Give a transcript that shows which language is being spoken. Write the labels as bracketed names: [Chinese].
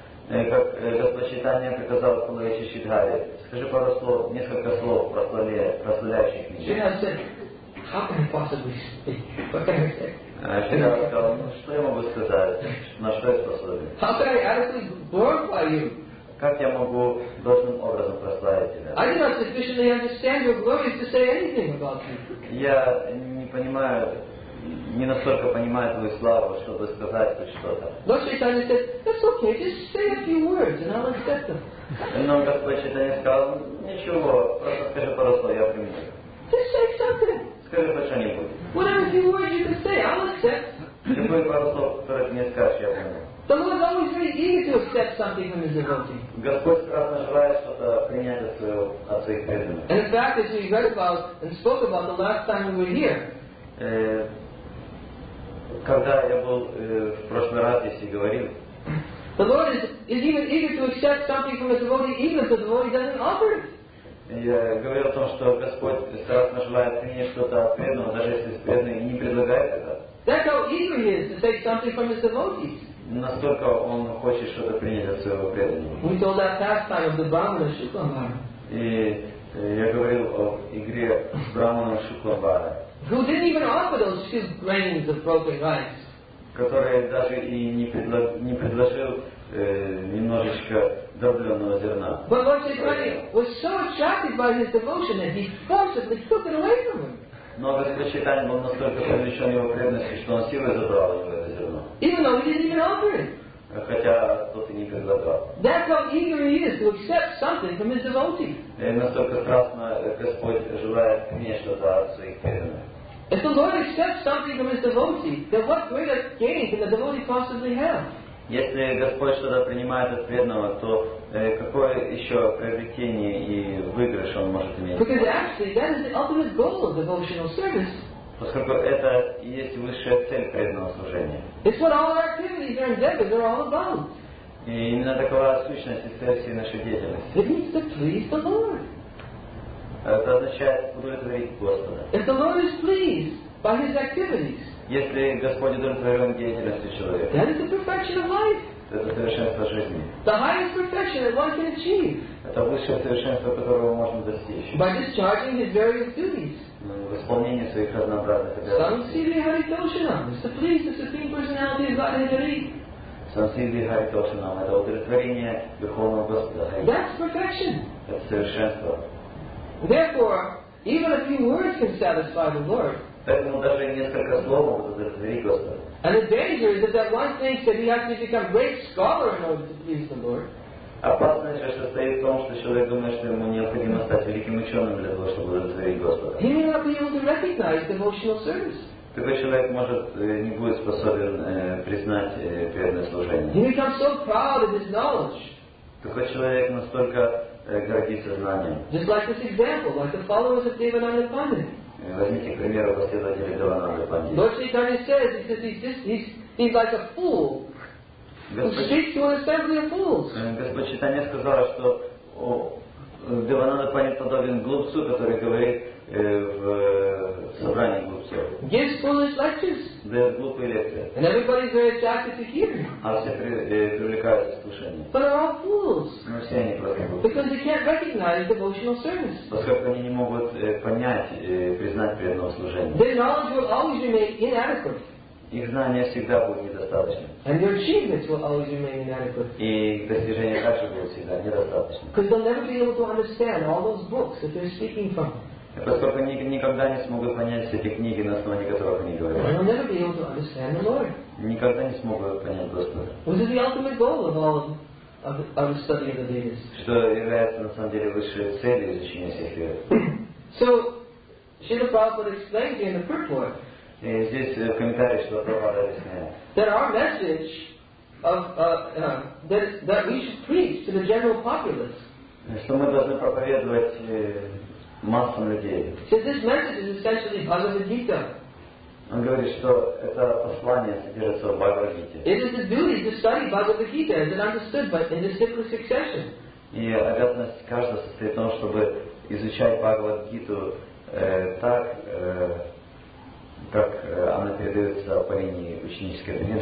[Russian] Как Господь Читания приказал Кулавичи Шидхаре, скажи пару слов, несколько слов прославляющих меня. Шидхар сказал, [English] how can I possibly speak? [Russian] Шидхар сказал, ну что я могу сказать? На что я способен? [English] How can I adequately glorify you? [Russian] Как я могу должным образом прославить тебя? [English] I do not sufficiently understand your glories to say anything about you. [Russian] Я не понимаю, не настолько понимает твою славу, чтобы сказать хоть что-то. [English] Lord Chaitanya said, that's okay, just say a few words and I'll accept them. [Russian] Но Господь Chaitanya сказал, ничего, просто скажи пару слов, я приму. [English] Just say something. [Russian] Скажи хоть что-нибудь. [English] Whatever few words you can say, I'll accept. [Russian] Любые пару слов, которые ты мне скажешь, я приму. [English] The Lord is always very eager to accept something from his devotee. [Russian] Господь страстно желает что-то принять от своих преданных. [English] And in fact, as we read about and spoke about the last time we were here, [Russian] когда я был в прошлый раз здесь и говорил, [English] the Lord is even eager to accept something from a devotee, even if the devotee doesn't offer it. [Russian] Я говорил о том, что Господь страстно желает принять что-то от преданного, даже если преданный не предлагает это. [English] That's how eager he is to take something from his devotees. [Russian] Настолько он хочет что-то принять от своего преданного. [English] We told that last time of the Brahmana Shukla Maharaj. [Russian] И я говорил о игре Brahmana Shukravara, [English] who didn't even offer those few grains of broken rice, [Russian] который даже и не предложил немножечко дробленого зерна. [English] But Lord Chaitanya was so attracted by his devotion that he forcibly took it away from him. [Russian] Но Господь Чайтанья был настолько привлечен его преданностью, что он силой забрал у него это зерно. [English] Even though he didn't even offer it. [Russian] Хотя тот и никогда брал. [English] That's how eager he is to accept something from his devotee. [Russian] Настолько страстно Господь желает нечто за своих преданных. [English] If the Lord accepts something from his devotee, then what greater gain can the devotee possibly have? [Russian] Если Господь что-то принимает от преданного, то какое еще приобретение и выигрыш он может иметь? [English] Because actually, that is the ultimate goal of devotional service. [Russian] Поскольку это и есть высшая цель преданного служения. [English] It's what all our activities, our endeavors are all about. [Russian] И именно такова сущность и цель всей нашей деятельности. [English] It means to please the Lord. [Russian] Это означает удовлетворить Господа. [English] If the Lord is pleased by his activities, [Russian] если Господь удовлетворен деятельностью человека, [English] that is the perfection of life. [Russian] Это совершенство жизни. [English] The highest perfection that one can achieve. [Russian] Это высшее совершенство, которого можно достичь. [English] By discharging his various duties. [Russian] В исполнении своих разнообразных обязанностей. [Sanskrit] Самсиди Харитошинам. [Russian] Это удовлетворение Верховного Господа. [English] That's perfection. [Russian] Это совершенство. [English] Therefore, even a few words can satisfy the Lord. And the danger is that one thinks that he has to become a great scholar in order to please the Lord. [Russian] Опасность состоит в том, что человек думает, что ему необходимо стать великим ученым для того, чтобы удовлетворить Господа. [English] He may not be able to recognize devotional service. [Russian] Такой человек может не будет способен признать преданное служение. [English] He becomes so proud of his knowledge. [Russian] Такой человек настолько гордится знанием. [English] Just like this example, like the followers of Devananda Pandit. [Russian] Возьмите пример последователей Девананды Пандита. [English] Lord Chaitanya says that he's like a fool. [Russian] Господь Чайтанья сказал, что Девананда Пандит подобен глупцу, который говорит в собрании глупцов. [English] Gives foolish lectures. [Russian] Дает глупые лекции. [English] And everybody's very attracted to hear. [Russian] А все привлекаются к слушанию. [English] But they're all fools. [Russian] Но все они просто глупцы. [English] Because they can't recognize devotional service. [Russian] Поскольку они не могут понять, признать преданного служения. [English] Their knowledge will always remain inadequate. [Russian] Их знания всегда будут недостаточны. [English] And their achievements will always remain inadequate. [Russian] И их достижения также будут всегда недостаточны. [English] Because they'll never be able to understand all those books that they're speaking from. [Russian] Поскольку они никогда не смогут понять все эти книги, на основании которых они говорят. [English] They will never be able to understand the Lord. [Russian] Никогда не смогут понять Господа. [English] Which is the ultimate goal of all of the study of the Vedas. [Russian] Что является на самом деле высшей целью изучения всех Вед. [English] So, Srila Prabhupada explained in the purport. [Russian] Здесь в комментариях, что Прабхупада объясняет. [English] That our message of that we should preach to the general populace. [Russian] Что мы должны проповедовать массам людей. [English] So this message is essentially Bhagavad Gita. [Russian] Он говорит, что это послание содержится в Бхагавад Гите. [English] It is the duty to study Bhagavad Gita as it understood, but in the simple succession. [Russian] И обязанность каждого состоит в том, чтобы изучать Бхагавад Гиту так. Как она передается по линии ученической